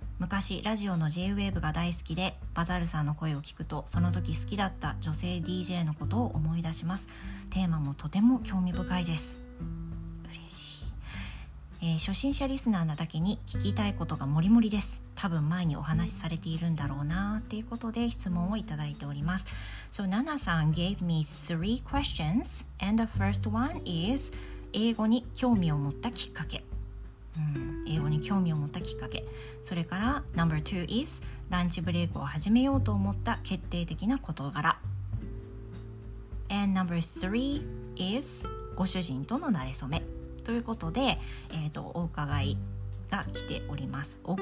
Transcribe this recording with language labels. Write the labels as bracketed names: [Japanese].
[Japanese] 昔ラジオの J-WAVE が大好きで、バザールさんの声を聞くと、その時好きだった女性 DJ のことを思い出します。テーマもとても興味深いです。嬉しい。初心者リスナーなだけに聞きたいことがもりもりです。多分前にお話しされているんだろうなっていうことで質問をいただいております。 [English] So Nana さん gave me three questions and the first one is [Japanese] 英語に興味を持ったきっかけ。英語に興味を持ったきっかけ。それから [English] Number two is [Japanese] ランチブレイクを始めようと思った決定的な事柄。 [English] And number three is [Japanese] ご主人との馴れ初めということで、お伺いが来ております。